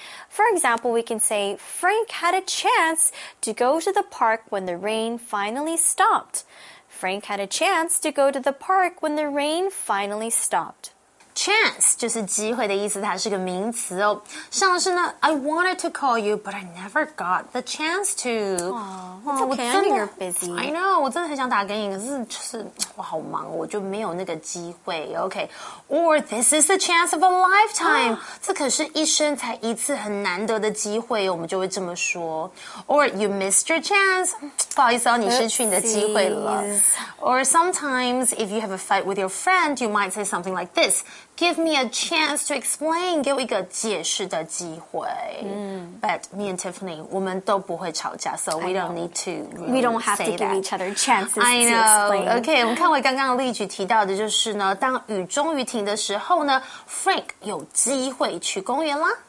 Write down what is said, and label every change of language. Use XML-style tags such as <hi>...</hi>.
<en>For example, we can say, Frank had a chance to go to the park when the rain finally stopped. Frank had a chance to go to the park when the rain finally stopped.</en> <zh>Chance 就是机会的意思，它是个名词哦。像是呢</zh> <en>，I wanted to call you, but I never got the chance to. Oh, okay, you're busy. I know,</en> <zh>我真的很想打给你，可是就是我好忙，我就没有那个机会。</zh> <en>Okay, or this is the chance of a lifetime.</en> <zh>这可是一生才一次很难得的机会，我们就会这么说。</zh> <en>Or you missed your chance.</en> <zh>不好意思哦，你失去你的机会了。</zh> <en>Or sometimes, if you have a fight with your friend, you might say something like this. Give me a chance to explain.</en> <zh>给我一个解释的机会。</zh> <en>But me and Tiffany,</en> <zh>我们都不会吵架</zh> <en>so we don't need to really We don't have to give each other chances to explain.</en> <zh>I know. Okay, 我们看回刚刚例举提到的就是呢当雨终于停的时候呢 Frank 有机会去公园啦。</zh>